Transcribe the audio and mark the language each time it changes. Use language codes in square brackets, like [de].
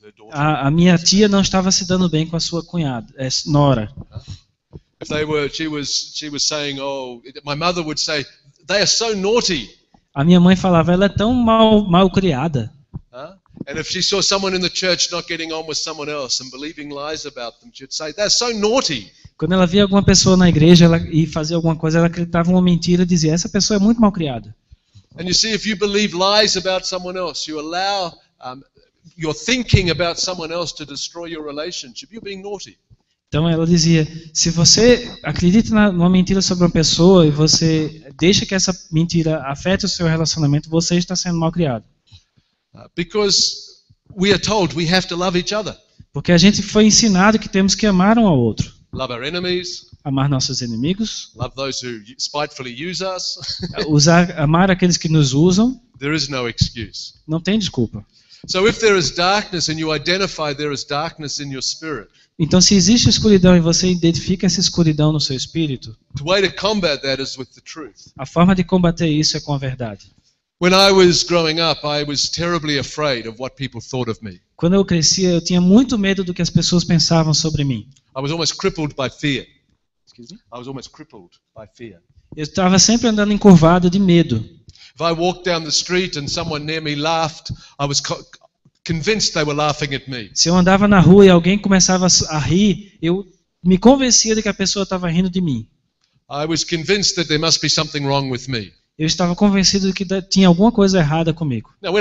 [pt] a minha tia não estava se dando bem com a sua cunhada, nora. [en] If they were, she was saying, oh, my mother would say, they are so naughty. [pt] A minha mãe falava, ela é tão mal criada. [en] And if she saw someone in the church not getting on with someone else and believing lies about them, she'd say, "That's so naughty." [pt] Quando ela via alguma pessoa na igreja e fazia alguma coisa, ela acreditava uma mentira e dizia, "Essa pessoa é muito mal criada." [en] And you see, if you believe lies about someone else, you allow your thinking about someone else to destroy your relationship. You're being naughty. [pt] Então ela dizia, se você acredita numa mentira sobre uma pessoa e você deixa que essa mentira afete o seu relacionamento, você está sendo mal criado. [en] Because we are told we have to love each other. [pt] Porque a gente foi ensinado que temos que amar um ao outro. [en] Love our enemies. [pt] Amar nossos inimigos. [en] Love those who spitefully use us. [pt] amar aqueles que nos usam. [en] There is no excuse. [pt] Não tem desculpa. [en] So if there is darkness and you identify there is darkness in your spirit. [pt] Então se existe escuridão e você identifica essa escuridão no seu espírito. [en] The way to combat that is with the truth. [pt] A forma de combater isso é com a verdade. [en] When I was growing up, I was terribly afraid of what people thought of me. [pt] Quando eu crescia, eu tinha muito medo do que as pessoas pensavam sobre mim. [en] I was almost crippled by fear. Excuse me? I was almost crippled by fear. [pt] Eu estava sempre andando encurvado de medo. [en] If I walked down the street and someone near me laughed, I was convinced they were laughing at me. [pt] Se eu andava na rua e alguém começava a rir, eu me convencia de que a pessoa estava rindo de mim. [en] I was convinced that there must be something wrong with me. [pt] eu estava convencido de que tinha alguma coisa errada comigo.